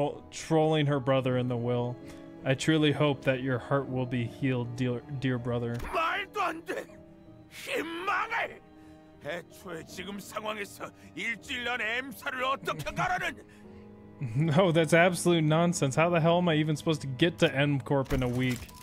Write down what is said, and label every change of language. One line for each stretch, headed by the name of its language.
English: Trolling her brother in the will. I truly hope that your heart will be healed, dear brother.
Korean: 말도 안 돼! 희망을! 애초에 지금 상황에서 일주일 전 M사를 어떻게 가라는!
English: No, that's absolute nonsense. How the hell am I even supposed to get to M Corp in a week?